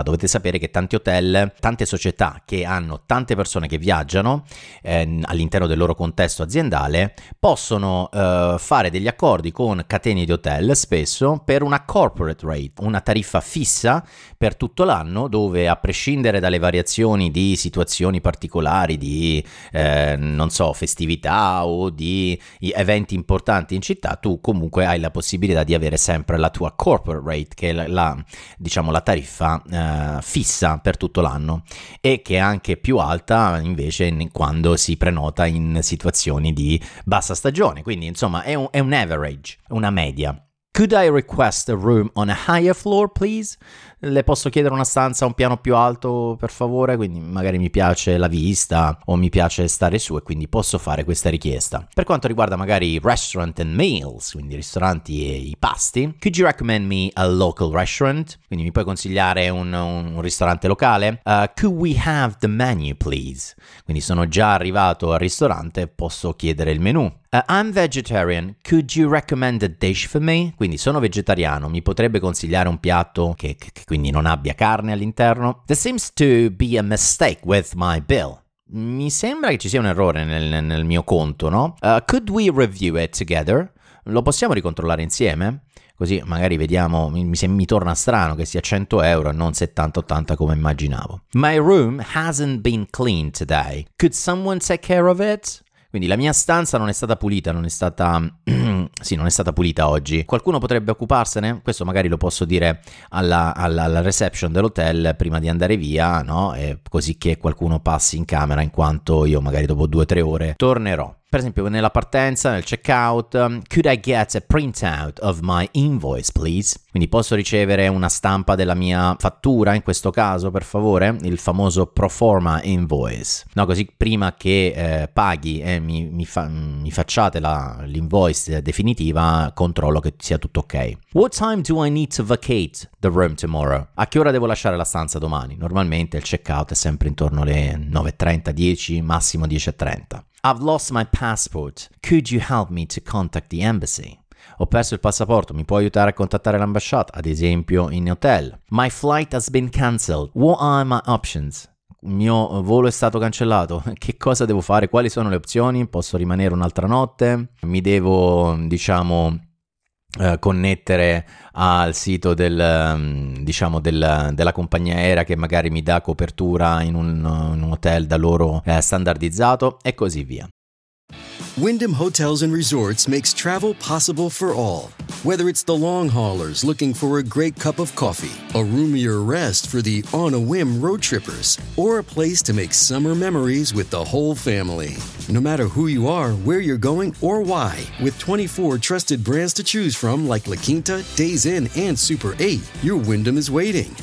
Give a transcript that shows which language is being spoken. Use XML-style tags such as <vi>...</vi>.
<it>Dovete sapere che tanti hotel, tante società che hanno tante persone che viaggiano all'interno del loro contesto aziendale, possono fare degli accordi con catene di hotel spesso per una corporate rate, una tariffa fissa per tutto l'anno, dove a prescindere dalle variazioni di situazioni particolari, di festività o di eventi importanti in città, tu comunque hai la possibilità di avere sempre la tua corporate rate, che è la, diciamo, la tariffa fissa per tutto l'anno, e che è anche più alta invece quando si prenota in situazioni di bassa stagione. Quindi insomma è un average, una media.</it> <en>Could I request a room on a higher floor, please?</en> <it>Le posso chiedere una stanza a un piano più alto, per favore? Quindi magari mi piace la vista o mi piace stare su, e quindi posso fare questa richiesta. Per quanto riguarda magari</it> <en>restaurant and meals,</en> <it>quindi ristoranti e i pasti,</it> <en>could you recommend me a local restaurant?</en> <it>Quindi mi puoi consigliare un ristorante locale?</it> <en>Could we have the menu, please?</en> <it>Quindi sono già arrivato al ristorante, posso chiedere il menu.</it> <en>I'm vegetarian, could you recommend a dish for me?</en> <it>Quindi sono vegetariano, mi potrebbe consigliare un piatto che quindi non abbia carne all'interno?</it> <en>There seems to be a mistake with my bill.</en> <it>Mi sembra che ci sia un errore nel mio conto, no?</it> <en>Could we review it together?</en> <it>Lo possiamo ricontrollare insieme? Così magari vediamo, mi torna strano che sia 100 euro e non 70-80 come immaginavo.</it> <en>My room hasn't been cleaned today. Could someone take care of it?</en> <it>Quindi la mia stanza non è stata pulita, non è stata pulita oggi. Qualcuno potrebbe occuparsene? Questo magari lo posso dire alla reception dell'hotel prima di andare via, no? E così che qualcuno passi in camera, in quanto io magari dopo 2-3 ore tornerò. Per esempio nella partenza, nel checkout,</it> <en>could I get a printout of my invoice, please?</en> <it>Quindi posso ricevere una stampa della mia fattura, in questo caso, per favore? Il famoso pro forma invoice. No, così prima che paghi e mi facciate l'invoice definitiva, controllo che sia tutto ok.</it> <en>What time do I need to vacate the room tomorrow?</en> <it>A che ora devo lasciare la stanza domani? Normalmente il checkout è sempre intorno alle 9.30, 10, massimo 10.30.</it> <en>I've lost my passport. Could you help me to contact the embassy?</en> <it>Ho perso il passaporto, mi puoi aiutare a contattare l'ambasciata, ad esempio in hotel?</it> <en>My flight has been cancelled. What are my options?</en> <it>Il mio volo è stato cancellato. Che cosa devo fare? Quali sono le opzioni? Posso rimanere un'altra notte? Mi devo, diciamo, connettere al sito della compagnia aerea che magari mi dà copertura in un hotel da loro standardizzato, e così via.</it> <en>Wyndham Hotels and Resorts makes travel possible for all. Whether it's the long haulers looking for a great cup of coffee, a roomier rest for the on a whim road trippers, or a place to make summer memories with the whole family. No matter who you are, where you're going, or why, with 24 trusted brands to choose from like La Quinta, Days Inn, and Super 8, your Wyndham is waiting.</en>